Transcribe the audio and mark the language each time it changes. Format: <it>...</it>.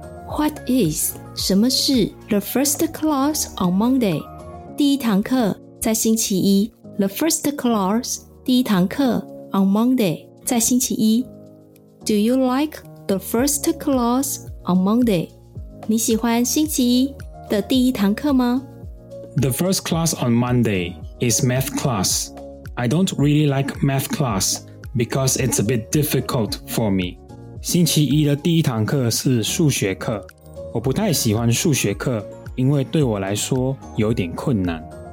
<en>What is 什么是 the first class on Monday 第一堂课在星期一， the first class 第一堂课 on Monday 在星期一。 Do you like the first class on Monday?</en> <zh>你喜欢星期一的第一堂课吗？</zh> <en>The first class on Monday is math class. I don't really like math class because it's a bit difficult for me.</en> <zh>星期一的第一堂课是数学课。我不太喜欢数学课，因为对我来说有点困难。</zh>